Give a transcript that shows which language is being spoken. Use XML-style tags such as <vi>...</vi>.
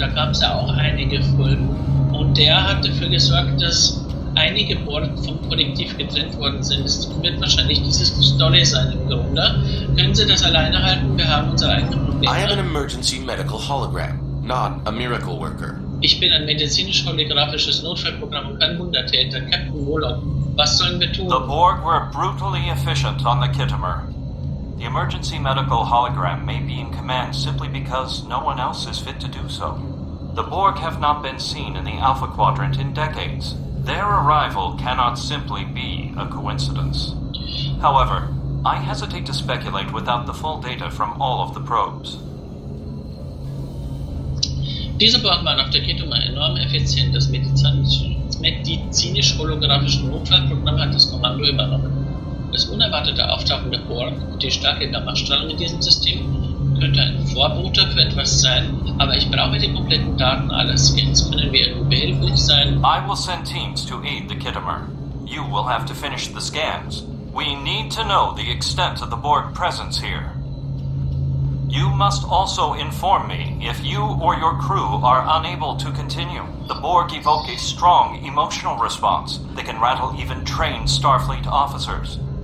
<de>Da gab es ja auch einige Folgen. Und der hat dafür gesorgt, dass einige Borg vom Kollektiv getrennt worden sind. Das wird wahrscheinlich dieses Story sein im Grunde. Können Sie das alleine halten? Wir haben unsere eigenen Probleme.</de> <en>I am an emergency medical hologram, not a miracle worker.</en> <de>Ich bin ein medizinisch-holographisches Notfallprogramm und kein Wundertäter. Captain Vo'Lok, was sollen wir tun?</de> <en>The Borg were brutally efficient on the Kittimer. The emergency medical hologram may be in command simply because no one else is fit to do so. The Borg have not been seen in the Alpha Quadrant in decades. Their arrival cannot simply be a coincidence. However, I hesitate to speculate without the full data from all of the probes.</en> <de>Diese Borg waren auf der Kittimer enorm effizient. Das medizinisch-holographische Notfallprogramm hat das Kommando übernommen. Das unerwartete Auftauchen der Borg und die starke Gammastrahlung in diesem System könnte ein Vorbote für etwas sein, aber ich brauche die kompletten Daten aller Skins. Können wir behilflich sein?</de> <en>I will send teams to aid the Kittimer. You will have to finish the scans. We need to know the extent of the Borg presence here. You must also inform me if you or your crew are unable to continue. The Borg evoke a strong emotional response. They can rattle even trained Starfleet officers.</en>